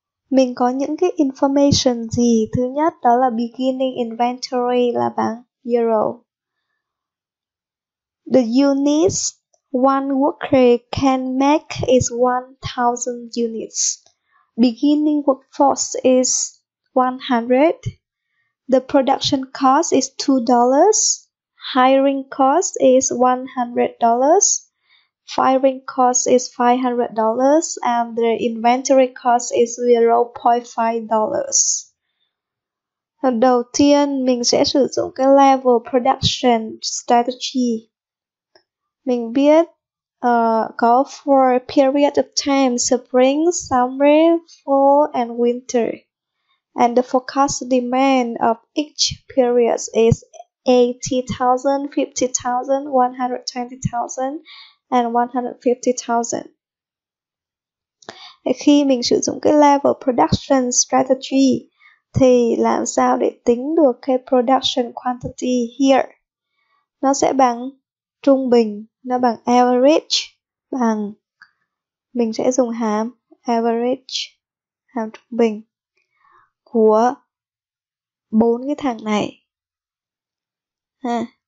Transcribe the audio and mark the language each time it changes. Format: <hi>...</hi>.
<vi>Mình có những cái information gì? Thứ nhất đó là beginning inventory là bằng euro.</vi> <en>The units one worker can make is 1000 units. Beginning workforce is 100. The production cost is $2. Hiring cost is $100. Firing cost is $500 and the inventory cost is $0.5.</en> <vi>Đầu tiên mình sẽ sử dụng cái level production strategy. Mình biết có 4</vi> <en>period of time: spring, summer, fall and winter. And the forecast demand of each period is 80,000, 50,000, 120,000 and 150,000.</en> <vi>Khi mình sử dụng cái level production strategy thì làm sao để tính được cái</vi> <en>production quantity here?</en> <vi>Nó sẽ bằng trung bình, nó bằng average, bằng mình sẽ dùng hàm average, hàm trung bình của bốn cái thằng này. Ha.</vi>